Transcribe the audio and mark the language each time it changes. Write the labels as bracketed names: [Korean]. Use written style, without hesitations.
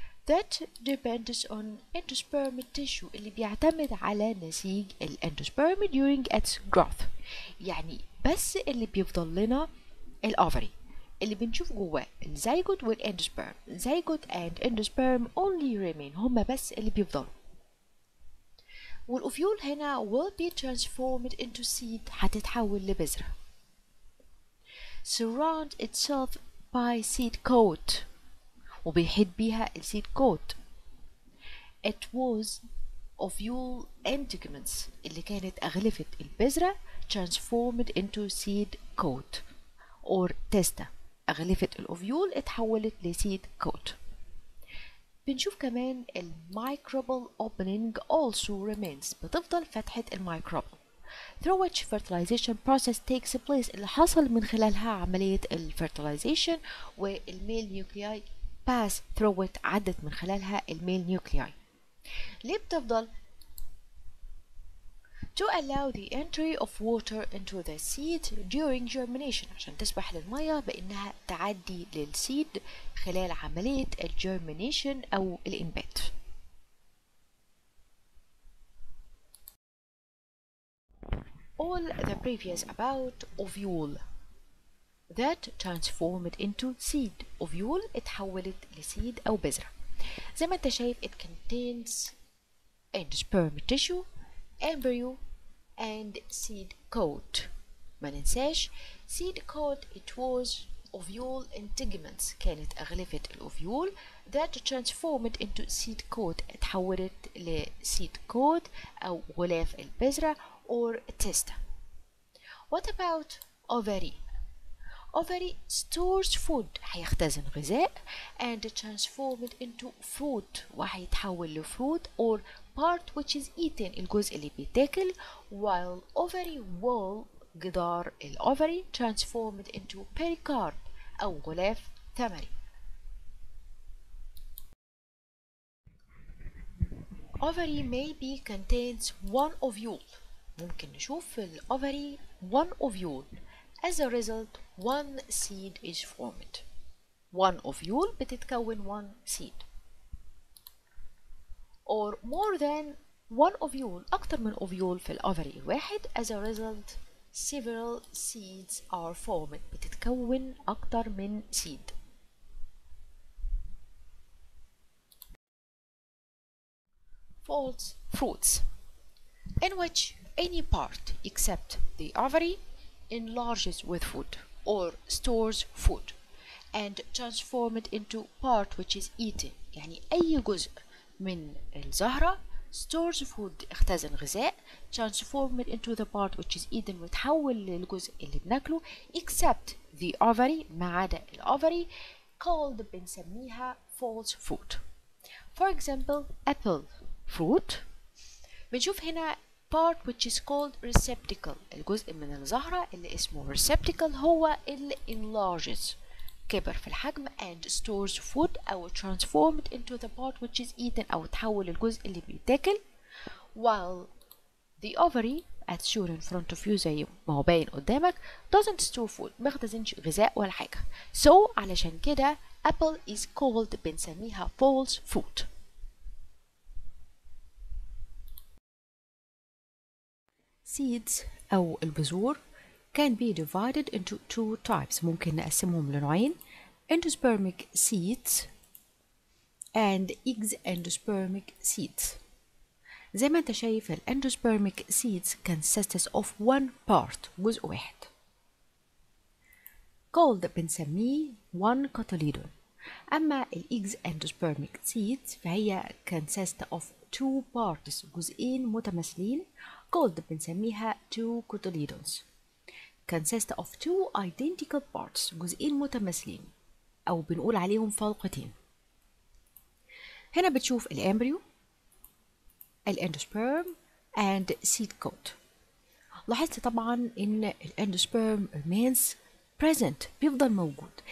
[English] that depends on endospermic tissue [Arabic] اللي بيعتمد على نسيج الاندوسبرم [English] during its growth [Arabic] يعني بس اللي بيفضل لنا الأوفري اللي بنشوف جواه الزيجوت والاندوسبرم. زيجوت [English] and endosperm only remain [Arabic] هما بس اللي بيفضلوا. والأوفيول هنا [English] will be transformed into seed [Arabic] هتتحول لبذرة. [English] Surround itself by seed coat [Arabic] وبيحيط بيها السيد كوت. [English] It was of all integuments [Arabic] اللي كانت أغلفت البذرة [English] transformed into seed coat or testa. [Arabic] أغلفت الأوفيول اتحولت لسيد كوت. بنشوف كمان الميكروبال [English] opening also remains. [Arabic] بتفضل فتحة الميكروبال. [English] Through which fertilization process takes place. [Arabic] اللي حصل من خلالها عملية الفيرتلايزيشن والميل نيوكلياي [English] pass through it [Arabic] عدت من خلالها الميل نيوكلياي. ليه بتفضل؟ [English] To allow the entry of water into the seed during germination. [Arabic] عشان تسمح للمية بأنها تعدي للسيد خلال عملية الجيرمينيشن أو الإنبات. [English] All the previous about ovule that transformed into seed. [Arabic] Ovule اتحولت لسيد أو بذرة. زي ما انت شايف [English] it contains endosperm tissue, embryo and seed coat. [Arabic] ما ننساش [English] seed coat it was ovule integuments. [Arabic] كانت أغلفة الأوفيول [English] that transformed into seed coat. [Arabic] اتحولت لسيد coat أو غلاف البذرة [English] or testa. What about ovary? Ovary stores food. [Arabic] هيختزن غذاء [English] and transform it into fruit. [Arabic] وهيتحول لفروت [English] or part which is eaten. [Arabic] الجزء اللي بيتاكل. [English] While ovary wall جدار الovary transform it into pericarp [Arabic] أو غلاف ثمري. [English] Ovary maybe contains one ovule. [Arabic] ممكن نشوف الـ [English] ovary one ovule. As a result, one seed is formed. One ovule [Arabic] بتتكون [English] one seed. Or more than one ovule, [Arabic] أكثر من [English] ovule [Arabic] في الـ [English] ovary [Arabic] واحد. [English] As a result, several seeds are formed. [Arabic] بتتكون أكثر من seed. [English] False fruits. In which any part except the ovary enlarges with food or stores food and transforms it into part which is eaten. [Arabic] يعني أي جزء من الزهرة [English] stores food [Arabic] اختزن غذاء [English] transforms it into the part which is eaten [Arabic] وتحول للجزء اللي بناكله [English] except the ovary [Arabic] ما عدا [English] الovary called [Arabic] بنسميها [English] false fruit. For example apple fruit. [Arabic] بنشوف هنا [English] part which is called receptacle. [Arabic] الجزء من الزهرة اللي اسمه receptacle هو اللي [English] enlarges [Arabic] كبر في الحجم [English] and stores food [Arabic] أو [English] transformed into the part which is eaten [Arabic] أو تحول الجزء اللي بيتاكل. [English] While the ovary as shown in front of you [Arabic] زي ما هو باين قدامك [English] doesn't store food [Arabic] مخزنش غذاء ولا حاجة. [English] So [Arabic] علشان كده [English] apple is called [Arabic] بنسميها [English] false fruit. Seeds [Arabic] أو البذور [English] can be divided into two types. [Arabic] ممكن نقسمهم لنوعين [English] endospermic seeds and eggs endospermic seeds. [Arabic] زي ما انت شايف ال [English] endospermic seeds consists of one part [Arabic] جزء واحد [English] called [Arabic] بنسميه [English] one cotyledon. [Arabic] أما ال [English] eggs endospermic seeds [Arabic] فهي [English] consists of two parts [Arabic] جزئين متماثلين [English] called [Arabic] بنسميها [English] two cotyledons. Consist of two identical parts [Arabic] جزئين متماثلين أو بنقول عليهم فلقتين. هنا بتشوف الامبريو الاندوسبرم [English] and seed coat. [Arabic] لاحظت طبعا ان الاندوسبرم [English] remains present [Arabic] بيفضل موجود.